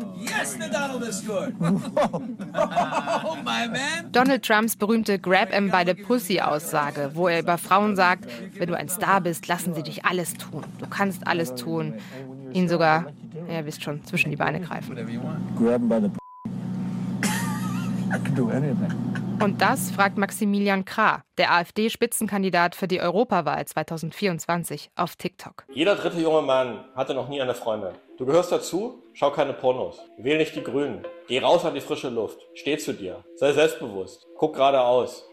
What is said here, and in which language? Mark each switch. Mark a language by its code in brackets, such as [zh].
[en] Yes, the Donald is good. Whoa. Oh, my man. [de] Donald Trumps berühmte [en] Grab 'em by the [de] Pussy-Aussage, wo er über Frauen sagt, wenn du ein Star bist, lassen sie dich alles tun. Du kannst alles tun. Ihn sogar, ja, ihr wisst schon, zwischen die Beine greifen. [en] Grab 'em by the I can do anything. [de] Und das fragt Maximilian Krah, der AfD-Spitzenkandidat für die Europawahl 2024, auf TikTok. Jeder dritte junge Mann hatte noch nie eine Freundin. Du gehörst dazu? Schau keine Pornos. Wähl nicht die Grünen. Geh raus an die frische Luft. Steh zu dir. Sei selbstbewusst. Guck geradeaus.